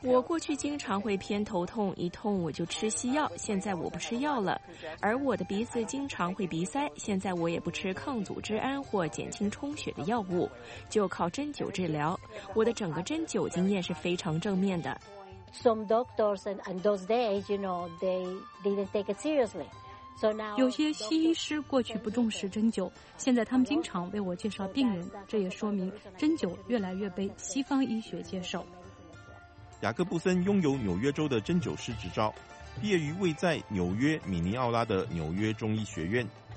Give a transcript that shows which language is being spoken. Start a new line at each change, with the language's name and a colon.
Chinese: 我过去经常会偏头痛，一痛我就吃西药，现在我不吃药了。而我的鼻子经常会鼻塞，现在我也不吃抗组织胺或减轻充血的药物，就靠针灸治疗。我的整个针灸经验是非常正面的。
English: Some doctors in those days, you know, they didn't take it seriously. So now
Chinese: 有些西医师过去不重视针灸，现在他们经常为我介绍病人，这也说明针灸越来越被西方医学接受。雅各布森拥有纽约州的针灸师执照，毕业于位在纽约米尼奥拉的纽约中医学院。